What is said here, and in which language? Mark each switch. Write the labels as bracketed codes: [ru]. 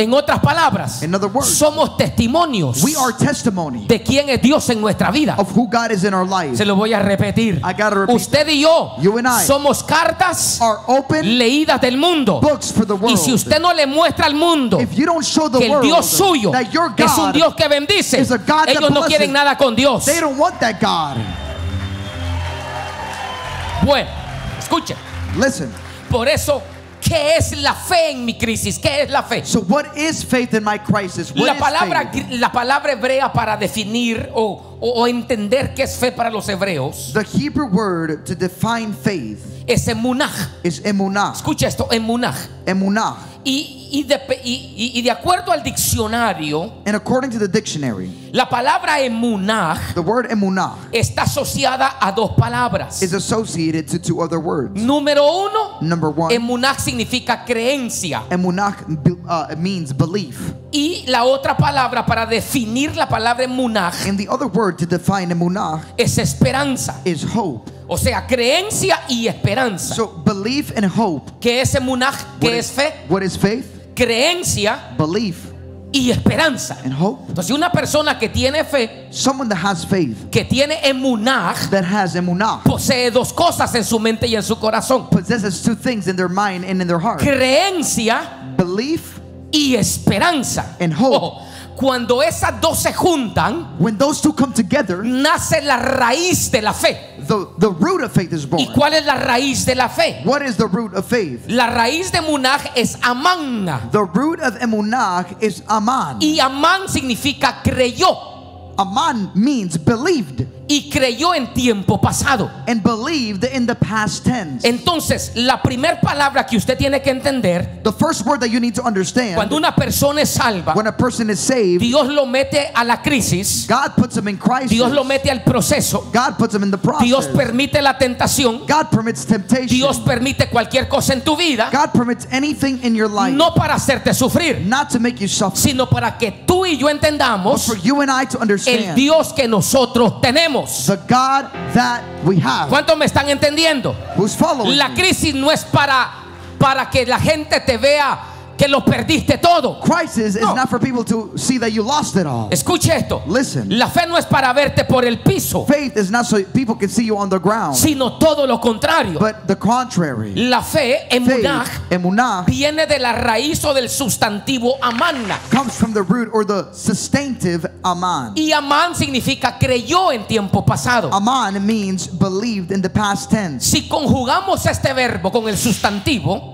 [es] En otras palabras, [en] in other words, [es] somos testimonios. [en] We are testimony [es] de quién es Dios en nuestra vida. [en] Of who God is in our life. [es] Se lo voy a repetir. [en] I gotta repeat. [es] Usted y yo, [en] you and I, [es] somos cartas [en] are open [es] leídas del mundo. [en] Books for the world. [es] Y si usted no le muestra al mundo, [en] if you don't show the [es] que el [en] world [es] Dios suyo [en] that your God [es] es un Dios que bendice, [en] is a God [es] ellos [en] that [es] no quieren nada con Dios. [en] They don't want that God. [es] Bueno, escuche. [en] Listen. [es] Por eso, ¿qué es la fe en mi crisis? ¿Qué es la fe? [en] So what is faith in my crisis? What [es] la palabra, la palabra hebrea para definir o entender qué es fe para los hebreos. [en] The Hebrew word to define faith [es] es emunah. [en] Is emunah. [es] Escucha esto, emunah. [en] Emunah. [es] Y de acuerdo al diccionario, [en] and according to the dictionary, [es] la palabra emunah, [en] the word emunah, [es] está asociada a dos palabras. [en] Is associated to two other words. [es] Número uno, [en] number one, [es] emunah significa creencia. [en] Emunah means belief. [es] Y la otra palabra para definir la palabra emunah, [en] and the other word to define emunah, [es] es esperanza. [en] Is hope. [es] O sea, creencia y esperanza. [en] So belief and hope. [es] ¿Qué es emunah? ¿Qué es fe? [en] What is faith? [es] Creencia. [en] Belief. [es] Y esperanza. [en] And hope. [es] Entonces, una persona que tiene fe, [en] someone that has faith, [es] que tiene emunah, [en] that has emunah, [es] posee dos cosas en su mente y en su corazón. [en] Possesses two things in their mind and in their heart. [es] Creencia. [en] Belief. [es] Y esperanza. [en] And hope. [es] Ojo, cuando esas dos se juntan, [en] when those two come together, [es] nace la raíz de la fe. [en] The root of faith is born. [es] ¿Y cuál es la raíz de la fe? [en] What is the root of faith? [es] La raíz de emunah es aman. [en] The root of emunah is aman. [es] Y aman significa creyó. [en] Aman means believed. [es] Y creyó en tiempo pasado. [en] And believed in the past tense. [es] Entonces, la primer palabra que usted tiene que entender, [en] the first word that you need to understand, [es] cuando una persona es salva, [en] when a person is saved, [es] Dios lo mete a la crisis. [en] God puts him in crisis. [es] Dios lo mete al proceso. [en] God puts him in the process. [es] Dios permite la tentación. [en] God permits temptation. [es] Dios permite cualquier cosa en tu vida. [en] God permits anything in your life. [es] No para hacerte sufrir. [en] Not to make you suffer. [es] Sino para que tú y yo entendamos, [en] but for you and I to understand, [es] el Dios que nosotros tenemos. [en] The God that we have. [es] ¿Cuántos me están entendiendo? [en] Who's following? [es] La crisis no es para que la gente te vea que lo perdiste todo. [en] Crisis is not for people to see that you lost it all. [es] Escuche esto. [en] Listen. [es] La fe no es para verte por el piso. [en] Faith is not so people can see you on the ground. [es] Sino todo lo contrario. [en] But the contrary. [es] La fe, emunah, [en] emunah, [es] viene de la raíz o del sustantivo aman. [en] Comes from the root or the substantive aman. [es] Y aman significa creyó en tiempo pasado. [en] Aman means believed in the past tense. [es] Si conjugamos este verbo con el sustantivo,